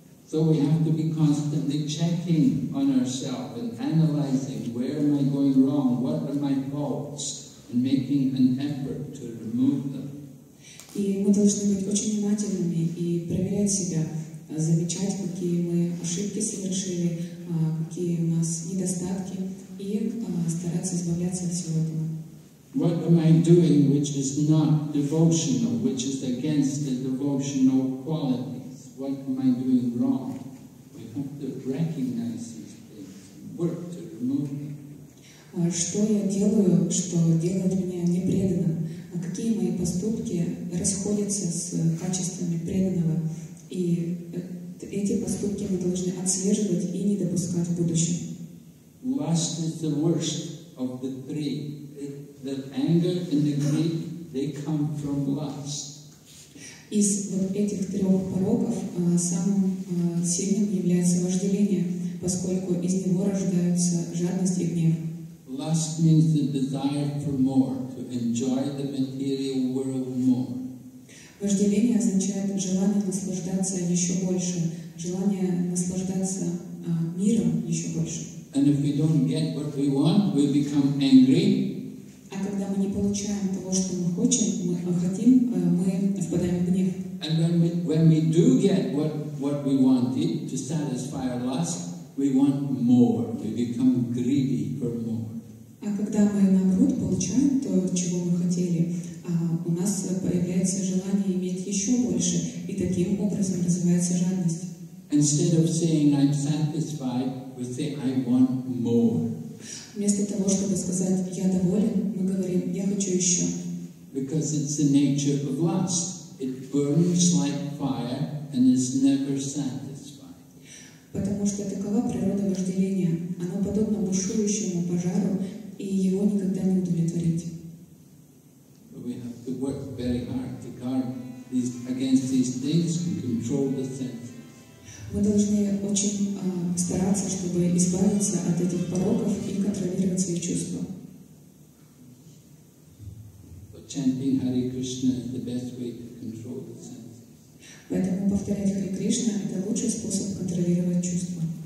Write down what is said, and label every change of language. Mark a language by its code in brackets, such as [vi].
[en] So we have to be constantly checking on ourselves and analyzing where am I going wrong, what are my faults, and making an effort to remove them. [ru] И мы должны быть очень внимательными и проверять себя, замечать, какие мы ошибки совершили, какие у нас недостатки, и стараться избавляться от всего этого. [en] What am I doing which is not devotional, which is against the devotional qualities? What am I doing wrong? We have to recognize these things and work to remove them. [ru] Что я делаю, что делает меня непреданным? А какие мои поступки расходятся с качествами преданного? И эти поступки мы должны отслеживать и не допускать в будущем. [en] Lust is the worst of the three. The anger and the greed, they come from lust. [ru] Из вот этих трех пороков самым сильным является вожделение, поскольку из него рождаются жадность и гнев. [en] Lust means the desire for more, to enjoy the material world more. [ru] Вожделение означает желание наслаждаться еще больше, желание наслаждаться миром еще больше. [en] And if we don't get what we want, we become angry. [ru] А когда мы не получаем того, что мы хотим, мы впадаем в гнев. [en] And when we do get what we wanted to satisfy our lust, we want more. We become greedy for more. [ru] А когда мы наоборот получаем то, чего мы хотели, у нас появляется желание иметь еще больше, и таким образом развивается жадность. [en] Instead of saying I'm satisfied, we say I want more. [ru] Вместо того, чтобы сказать я доволен, мы говорим я хочу еще. [en] Because it's the nature of lust. It burns like fire and is never satisfied. [ru] Потому что такова природа вожделения. Оно подобно бушующему пожару. И его никогда не удовлетворить. [en] We have to work very hard to guard these, against these things and control the senses. [ru] Мы должны очень стараться, чтобы избавиться от этих пороков и контролировать свои чувства. [en] But chanting Hare Krishna is the best way to control the senses. [ru] Поэтому повторять Хари Кришна — это лучший способ контролировать чувства.